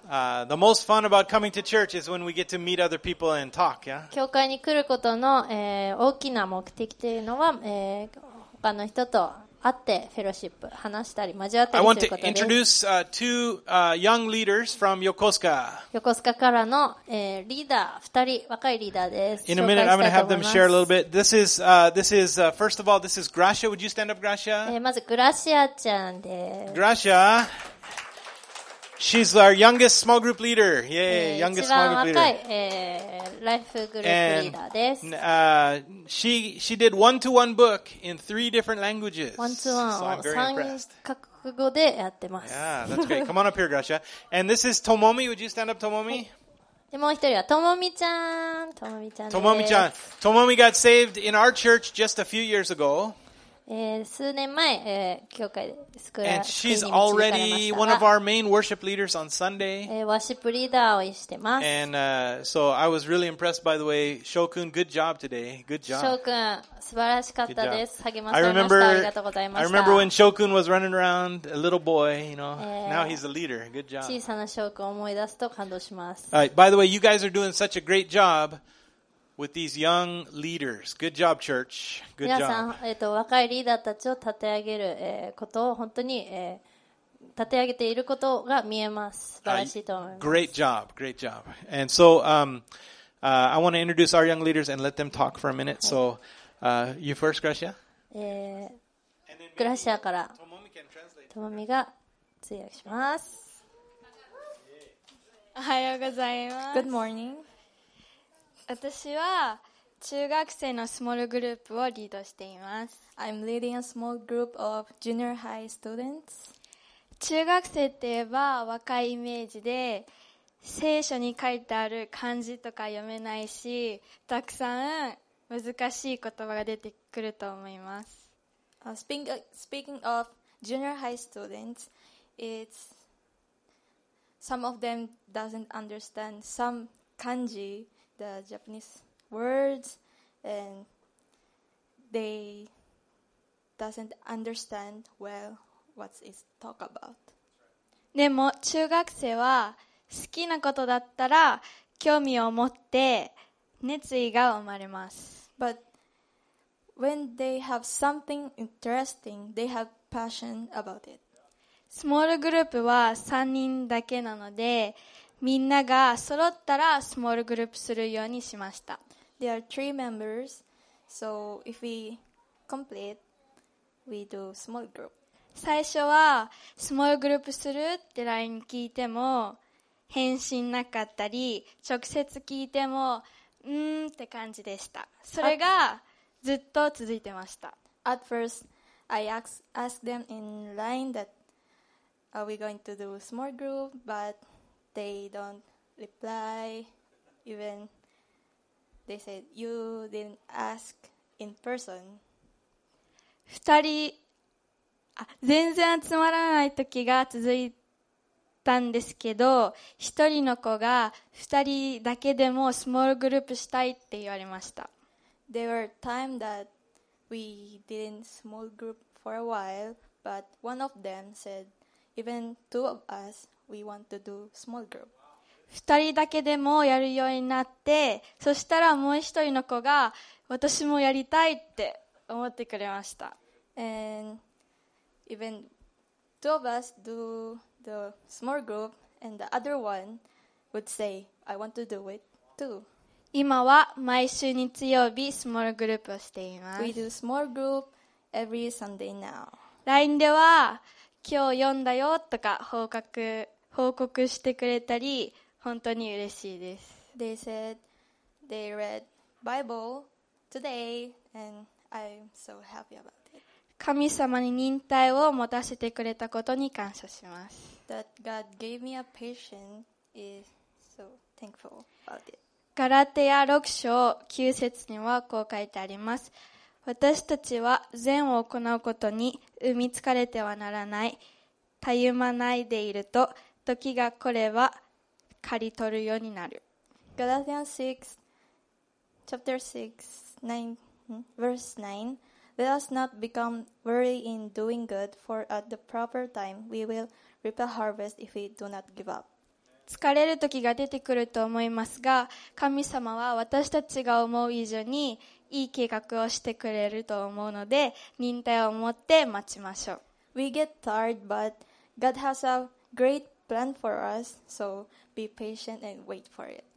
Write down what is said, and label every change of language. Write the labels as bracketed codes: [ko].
[en] The most fun about coming to church is when we get to meet other people and talk, yeah? [ja] 教会に来ることの、大きな目的というのは、他の人と会ってフェロシップ話したり交わったりすることです。 [en] I want to introduce two young leaders from Yokosuka. [ja] Yokosuka からの、リーダー2人、若いリーダーです。 [en] In a minute, I'm going to have them share a little bit. First of all, this is Gracia. Would you stand up, Gracia? [ja] まずグラシアちゃんです。 [en] Gracia! She's our youngest small group leader. Yay, youngest small group leader. Life group leader. She did one-to-one book in three different languages. One-to-one. So I'm very impressed. Yeah, that's great. Come on up here, Gracia. And this is Tomomi. Would you stand up, Tomomi? Tomomi-chan. Tomomi got saved in our church just a few years ago. [ja] 数年前、教会で救われました。 [en] And she's already one of our main worship leaders on Sunday. [ja] ワシップリーダーをしてます。 [en] And so I was really impressed by the way, Shokun, good job today. Good job. [ja] Shokun, 素晴らしかったです。励まされました。ありがとうございました。 [en] I remember when Shokun was running around, a little boy, you know. Now he's a leader. Good job. [ja] 小さな Shokun を思い出すと感動します。 [en] All right, by the way, you guys are doing such a great job. With these young leaders, good job, church. Good job. [ja] 皆さん、若いリーダーたちを立て上げる、ことを本当に、立て上げていることが見えます。素晴らしいと思います。 [en] Great job, great job. And so, I want to introduce our young leaders and let them talk for a minute. So, you first, Gracia. [ja] Gracia から。トモミが通訳します。おはようございます。 [en] Good morning. [ja] 私は中学生のスモールグループをリードしています。 [en] I'm leading a small group of junior high students. [ja] 中学生って言えば若いイメージで、聖書に書いてある漢字とか読めないし、たくさん難しい言葉が出てくると思います。 [en] Speaking of junior high students, it's some of them doesn't understand some 漢字。 The Japanese words, and they doesn't understand well what is talk about. [ja] でも中学生は好きなことだったら興味を持って熱意が生まれます。 [en] But when they have something interesting, they have passion about it. [ja] スモールグループは3人だけなので。みんなが揃ったらスモールグループするようにしました。 [en] There are three members, so if we complete, we do small group. [ja] 最初はスモールグループするって LINE 聞いても返信なかったり、直接聞いてもうんーって感じでした。それがずっと続いてました。 [en] At first, I asked them in LINE that are we going to do small group, but They don't reply. Even they said you didn't ask in person. [ja] 全然集まらない時が続いたんですけど、一人の子が二人だけでもスモールグループしたいって言われました。 [en] There were time that we didn't small group for a while, but one of them said even two of us. We want to do small group. [ja] 2人だけでもやるようになって、そしたらもう一人の子が私もやりたいって思ってくれました。 [en] And even two of us do the small group, and the other one would say, I want to do it too. [ja] 今は毎週日曜日スモールグループをしています。 [en] We do small group every Sunday now. [ja] LINEでは今日読んだよとか報告してくれたり本当に嬉しいです。 [en] They said they read Bible today and I'm so happy about it. [ja] 神様に忍耐を持たせてくれたことに感謝します。 [en] That God gave me a patience is so thankful about it. [ja] ガラテヤ6章9節にはこう書いてあります。私たちは善を行うことに産み疲れてはならない、たゆまないでいると時が来れば刈り取るようになる。 [en] ガラティアン6 chapter 6 verse 9 Let us not become weary in doing good, for at the proper time we will reap a harvest if we do not give up. [ja] 疲れる時が出てくると思いますが、神様は私たちが思う以上にいい計画をしてくれると思うので、忍耐を持って待ちましょう。 [en] We get tired, but God has a great plan for us, so be patient and wait for it.